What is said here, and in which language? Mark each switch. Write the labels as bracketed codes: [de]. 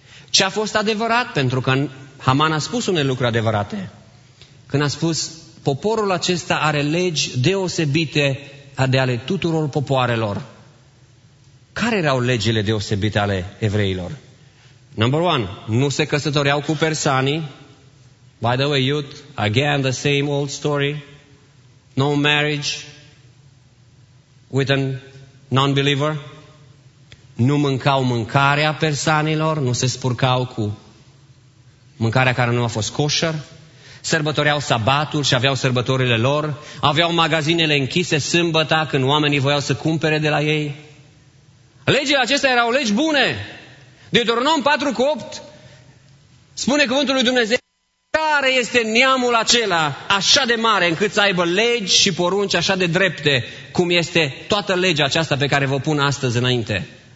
[ro] Ce a fost adevărat? Pentru că Haman a spus unele lucruri adevărate. Când a spus, poporul acesta are legi deosebite de ale tuturor popoarelor. Care erau legile deosebite ale evreilor? [en] Number one, [ro] nu se căsătoreau cu persanii. [en] By the way, youth, again the same old story. No marriage with a non-believer. [ro] Nu mâncau mâncarea persanilor, nu se spurcau cu mâncarea care nu a fost kosher. Sărbătoreau sabatul și aveau sărbătorile lor. Aveau magazinele închise sâmbăta când oamenii voiau să cumpere de la ei. Legile acestea erau legi bune. Deuteronom 4:8 spune cuvântul lui Dumnezeu, care este neamul acela așa de mare încât să aibă legi și porunci așa de drepte cum este toată legea aceasta pe care vă pun astăzi înainte.